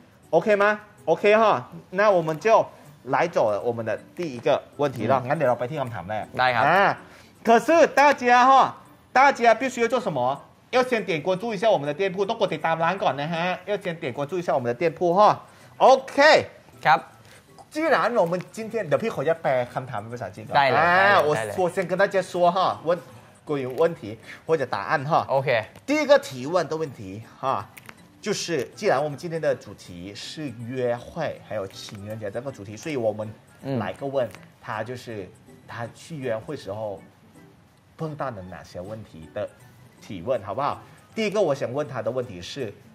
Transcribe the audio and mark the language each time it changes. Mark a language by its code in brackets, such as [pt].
[zh] OK 吗 ？OK 哈，那我们就来走我们的第一个问题了。那得要白听他们谈嘞。来哈。可是大家哈，大家必须要做什么？要先点关注一下我们的店铺，都过点单栏管的哈。要先点关注一下我们的店铺哈。 OK。 [th] ครับ。 [zh] 既然我们今天， [th] เดี๋ยวพี่ขออนุญาตแปลคำถามเป็นภาษาจีนก่อน。 ได้เลย。 [zh] 我先跟大家说哈，问关于问题或者答案哈。 OK。第一个提问的问题哈。就是既然我们今天的主题是约会还有情人节这个主题所以我们来个问他就是他去约会时候碰到了哪些问题的提问好不好第一个我想问他的问题是